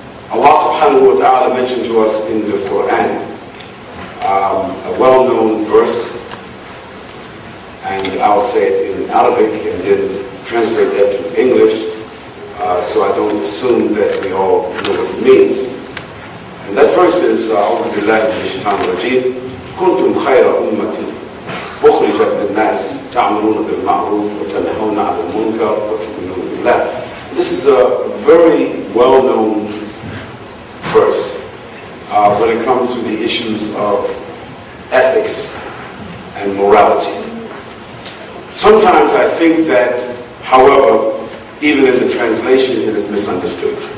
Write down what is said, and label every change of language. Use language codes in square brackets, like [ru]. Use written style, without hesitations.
[en] Allah subhanahu wa ta'ala mentioned to us in the Quran a well-known verse, and I'll say it in Arabic and then translate that to English. So I don't assume that we all know what it means. And that verse is [ar] أعوذ بالله من الشيطان الرجيم كنتم خير أمة أخرجت للناس تعملون بالمعروف وتنهون عن المنكر وتؤمنون بالله. [en] This is a very well-known verse when it comes to the issues of ethics and morality. Sometimes I think that, however, even in the translation, it is misunderstood.